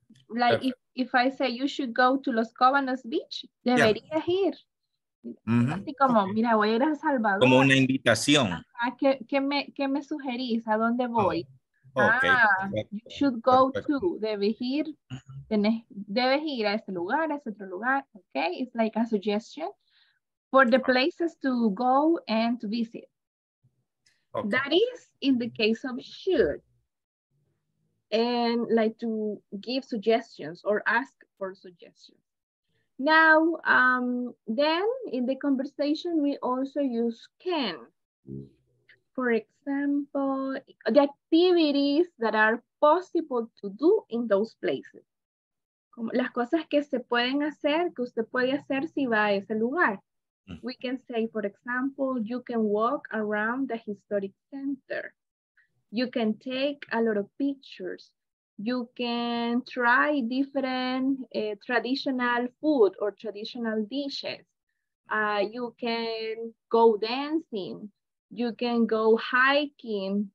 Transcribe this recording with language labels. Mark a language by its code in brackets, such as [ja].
[en] Like, if I say you should go to Los Cóbanos Beach, [es] deberías [en] yeah. ir. Uh-huh. [es] Así como, [en] okay. [es] mira, voy a ir a Salvador. Como una invitación. Ajá, ¿qué me sugerís? ¿A dónde voy? Oh. Okay. [en] Ah, you should go [es] Perfecto. [en] To. [es] Debes ir. Tenés, debes ir a este lugar, a ese otro lugar. [en] Okay, it's like a suggestion for the places to go and to visit. Okay. That is in the case of should. And like to give suggestions or ask for suggestions. Now, then in the conversation, we also use can. For example, the activities that are possible to do in those places. [es] Como las cosas que se pueden hacer, que usted puede hacer si va a ese lugar. [en] We can say, for example, you can walk around the historic center. You can take a lot of pictures. You can try different traditional food or traditional dishes. You can go dancing. You can go hiking.